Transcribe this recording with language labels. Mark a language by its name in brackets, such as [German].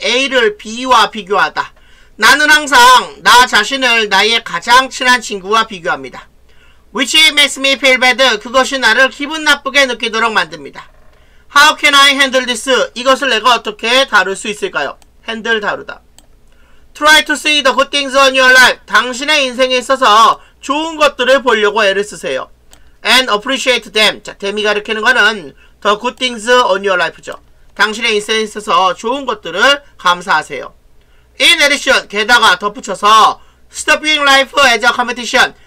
[Korean] A를 B와 비교하다. 나는 항상 나 자신을 나의 가장 친한 친구와 비교합니다. [English] Which makes me feel bad. [Korean] 그것이 나를 기분 나쁘게 느끼도록 만듭니다. [English] How can I handle this? [Korean] 이것을 내가 어떻게 다룰 수 있을까요? Handle 다루다. [English] Try to see the good things on your life. [Korean] 당신의 인생에 있어서 좋은 것들을 보려고 애를 쓰세요. [English] And appreciate them. 자, [Korean] them이 가르치는 거는 [English] the good things on your life죠. [Korean] 당신의 인생에 있어서 좋은 것들을 감사하세요. [English] In addition, [Korean] 게다가 덧붙여서 [English] stop being life as a competition.